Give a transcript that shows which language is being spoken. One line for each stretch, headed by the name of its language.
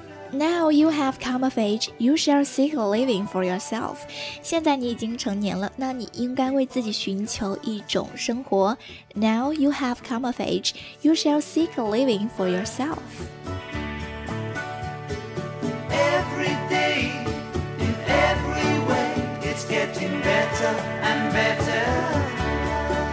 English: Now you have come of age, you shall seek a living for yourself.
Chinese: 现在你已经成年了，那你应该为自己寻求一种生活。
English: Now you have come of age, you shall seek a living for yourself. Every day, in every way, it's getting better and better.